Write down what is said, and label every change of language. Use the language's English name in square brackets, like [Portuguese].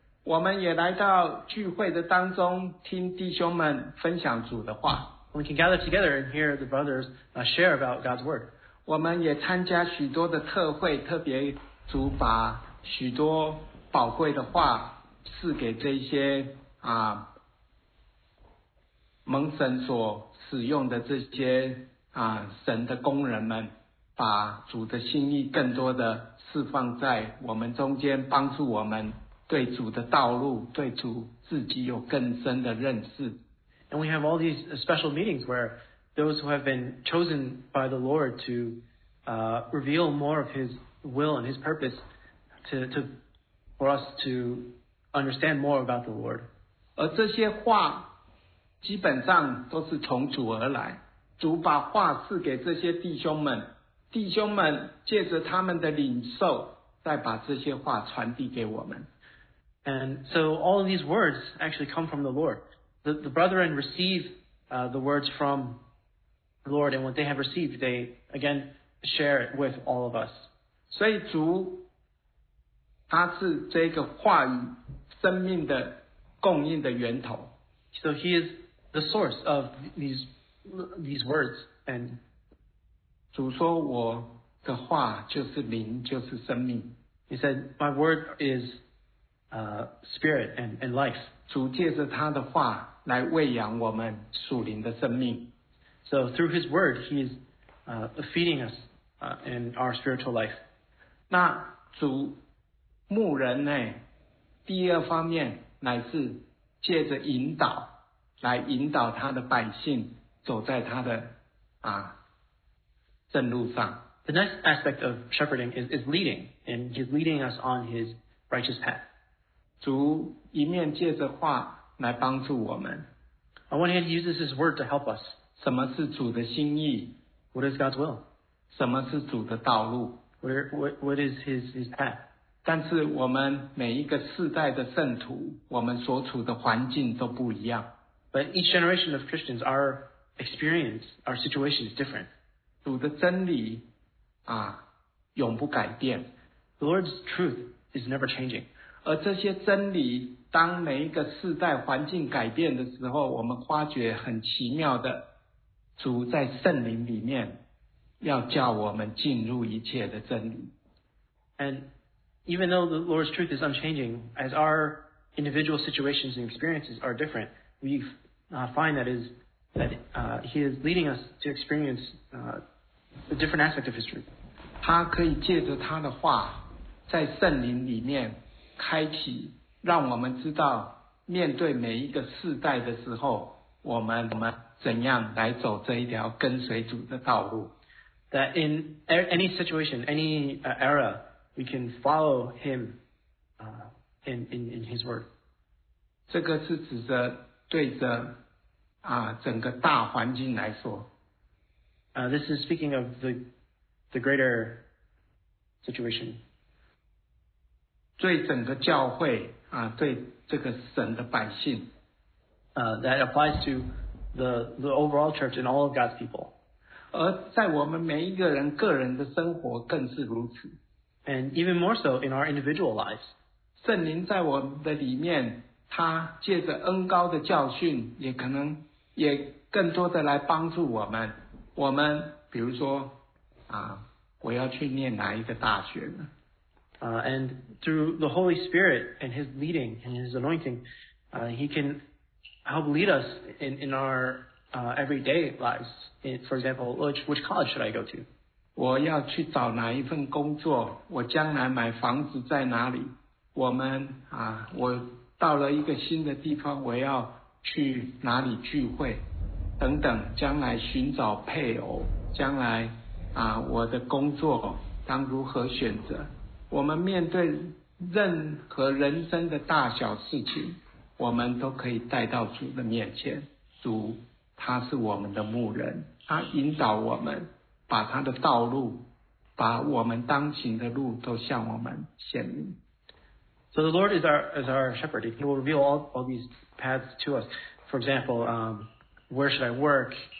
[Chinese] 我们也来到聚会的当中，听弟兄们分享主的话。 [English] We can gather together and hear the brothers share about God's word. [Chinese] 我们也参加许多的特会，特别主把许多宝贵的话赐给这些啊。蒙神所使用的这些啊，神的工人们把主的心意更多的释放在我们中间，帮助我们对主的道路、对主自己有更深的认识。 [English] And we have all these special meetings where those who have been chosen by the Lord to reveal more of His will and His purpose to for us to understand more about the Lord. [Chinese] 而这些话。基本上都是从主而来，主把话赐给这些弟兄们，弟兄们借着他们的领受，再把这些话传递给我们。 [English] And so all of these words actually come from the Lord. The brethren receive the words from the Lord, and what they have received, they again share it with all of us. [Chinese] 所以主他是这个话语生命的供应的源头。 [English] So he is the source of these words. And [Chinese] 主说我的话就是灵，就是生命。 [English] He said, my word is spirit and life. [Chinese] 主借着他的话来喂养我们属灵的生命。 [English] So through his word, he is feeding us in our spiritual life. [Chinese] 那主牧人呢，第二方面乃是借着引导来引导他的百姓走在他的啊正路上。 [English] The next aspect of shepherding is leading, and he's leading us on his righteous path. [Chinese] 主一面借着话来帮助我们。 [English] On one hand, he uses his word to help us. [Chinese] 什么是主的心意？ [English] What is God's will? [Chinese] 什么是主的道路？ [English] What is his path? [Chinese] 但是我们每一个世代的圣徒，我们所处的环境都不一样。 [English] But each generation of Christians, our experience, our situation is different. [Chinese] 主的真理啊，永不改变。 [English] The Lord's truth is never changing. [Chinese] 而这些真理，当每一个世代环境改变的时候，我们发觉很奇妙的，主在圣灵里面要叫我们进入一切的真理。 [English] And even though the Lord's truth is unchanging, as our individual situations and experiences are different, we find that He is leading us to experience a different aspect of His truth. [Chinese] 他可以借着他的话，在圣灵里面开启，让我们知道面对每一个世代的时候，我们怎样来走这一条跟随主的道路。 [English] That in any situation, any era,we can follow him in his word. [Chinese] 这个是指着对着啊整个大环境来说。 [English] This is speaking of the greater situation. [Chinese] 对整个教会啊对这个神的百姓。 [English] That applies to the overall church and all of God's people. [Chinese] 而在我们每一个人个人的生活更是如此。 [English] And even more so in our individual lives. [Chinese] 圣灵在我们的里面，他借着恩膏的教训，也可能也更多的来帮助我们。我们比如说啊，我要去念哪一个大学呢？ [English] And through the Holy Spirit and His leading and His anointing, He can help lead us in our everyday lives. For example, which college should I go to? [Chinese] 我要去找哪一份工作？我将来买房子在哪里？我们啊，我到了一个新的地方，我要去哪里聚会？等等，将来寻找配偶，将来啊，我的工作当如何选择？我们面对任何人生的大小事情，我们都可以带到主的面前。主他是我们的牧人，他引导我们，把他的道路，把我们当行的路都向我们显明。 [English] So the Lord is our shepherd. He will reveal all these paths to us. For example, where should I work?